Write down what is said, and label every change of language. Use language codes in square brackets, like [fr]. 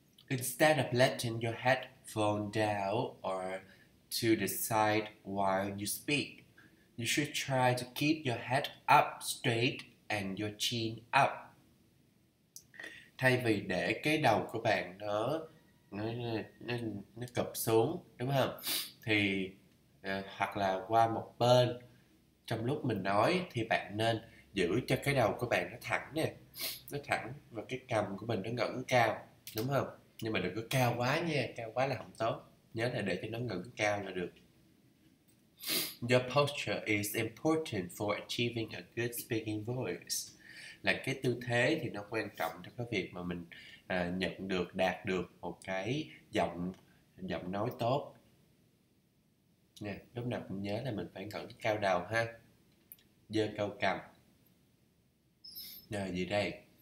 [en] Instead of letting your headphone down or to the side while you speak, you should try to keep your head up straight and your chin up. [vi] Thay vì để cái đầu của bạn nó cụp xuống, đúng không? Thì hoặc là qua một bên trong lúc mình nói, thì bạn nên giữ cho cái đầu của bạn nó thẳng nè, nó thẳng và cái cằm của mình nó ngẩng cao, đúng không? Nhưng mà đừng có cao quá nha, cao quá là không tốt. Nhớ là để cho nó ngẩng cao là được. [en] Your posture is important for achieving a good speaking voice. [vi] Là cái tư thế thì nó quan trọng cho cái việc mà mình nhận được, đạt được một cái giọng nói tốt. Nè, lúc nào cũng nhớ là mình phải ngẩng cao đầu ha. Giơ cao cằm. Rồi gì đây?